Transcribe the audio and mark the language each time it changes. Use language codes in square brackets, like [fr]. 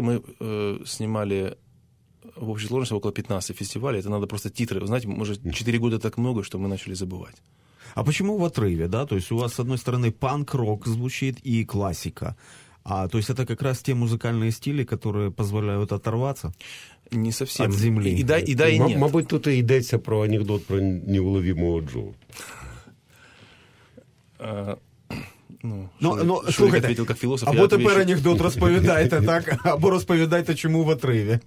[ru] Мы снимали в общей сложности около 15 фестивалей. Это надо просто титры. Знаете, может, 4 года так много, что мы начали забывать. А почему в отрыве, да? То есть у вас, с одной стороны, панк-рок звучит и классика. А, то есть это как раз те музыкальные стили, которые позволяют оторваться? Не совсем. От земли. И да, и нет. [uk] Мабуть, тут и йдеться про анекдот про неуловимого Джо. [ru] Ну, Шурик ответил как философ. [uk] Або тепер анекдот розповідайте, так? Або розповідайте, чому в отриві.